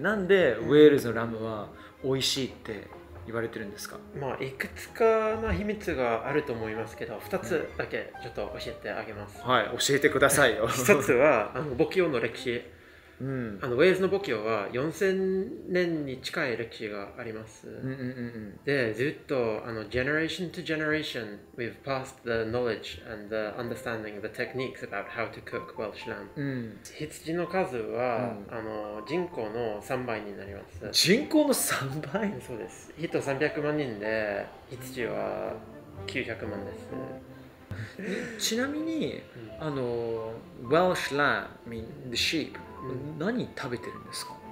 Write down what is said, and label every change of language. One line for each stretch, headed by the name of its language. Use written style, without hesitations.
Japanese: なんでウェールズのラムは美味しいって言われてるんですか。まあいくつかの秘密があると思いますけど、2つだけちょっと教えてあげます。はい、教えてくださいよ。 1つはあの牧羊の歴史。うん、あのウェールズの牧羊は4000年に近い歴史があります、うんうんうん、でずっとあの
English: generation to generation we've passed the knowledge and the understanding of the techniques about how to cook Welsh lamb、うん、
Japanese: 羊の数は、うん、あの人口の3倍になります。人口の3倍そうです。人300万人で羊は900万ですちなみにあの
English: Welsh lamb mean the sheep
Japanese: 何食べてるんですか。